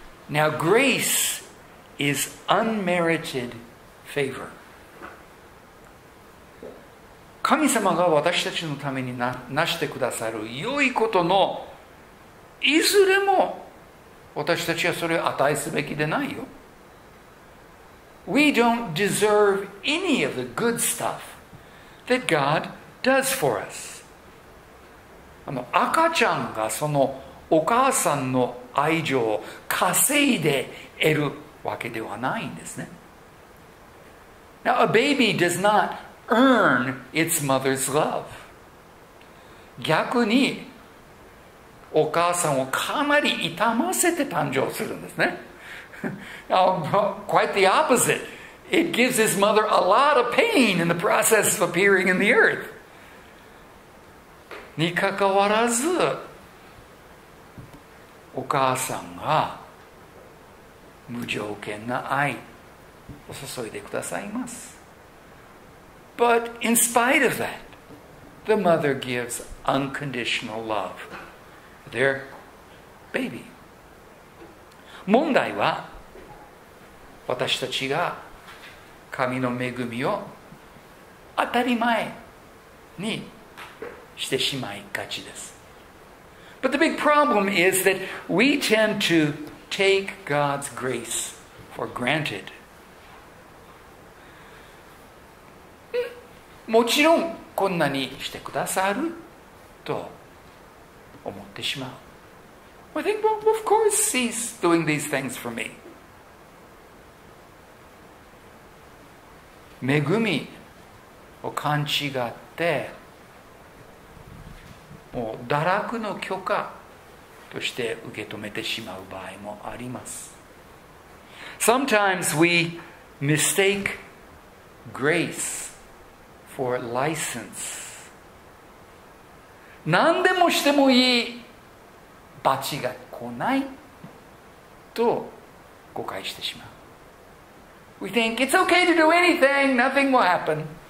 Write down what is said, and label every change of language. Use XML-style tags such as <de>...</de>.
<en>Now, grace is unmerited favor.</en> <ja>神様が私たちのためになしてくださる良いことのいずれも私たちはそれを値すべきでないよ。</ja> <en>We don't deserve any of the good stuff that God does for us.</en> <ja>赤ちゃんがそのお母さんの愛情を稼いで得るわけではないんですね。</ja> <en>Now, a baby does not earn its mother's love.</en> <ja>逆にお母さんをかなり痛ませて誕生するんですね。</ja> <en>Quite the opposite. It gives his mother a lot of pain in the process of appearing in the earth.</en> <ja>にかかわらず、お母さんが無条件な愛を注いでくださいます。</ja> <en>But in spite of that, the mother gives unconditional love for their baby.</en> <ja>問題は、私たちが神の恵みを当たり前にしてしまいがちです。</ja> <en>But the big problem is that we tend to take God's grace for granted.</en> <ja>もちろんこんなにしてくださると思ってしまう。</ja> <en>We think, well, of course he's doing these things for me.</en> <ja>恵みを勘違って、もう堕落の許可として受け止めてしまう場合もあります。</ja> <en>Sometimes we mistake grace for license.</en> <ja>何でもしてもいい、罰が来ないと誤解してしまう。</ja> <en>We think it's okay to do anything, nothing will happen.</en>